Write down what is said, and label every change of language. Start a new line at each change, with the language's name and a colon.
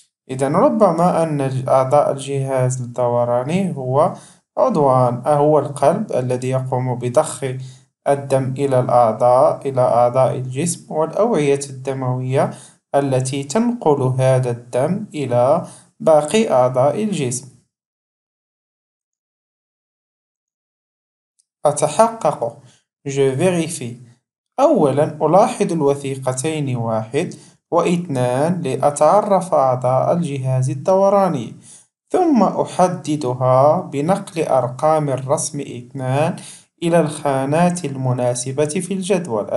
Arabic: إذن ربما أن أعضاء الجهاز الدوراني هو عضوان: أهو القلب الذي يقوم بضخ الدم إلى الأعضاء، إلى أعضاء الجسم، والأوعية الدموية التي تنقل هذا الدم إلى باقي أعضاء الجسم. أتحقق،
French: je vérifie.
Arabic: أولا ألاحظ الوثيقتين 1 و 2 لأتعرف أعضاء الجهاز الدوراني، ثم أحددها بنقل أرقام الرسم 2 إلى الخانات المناسبة في الجدول.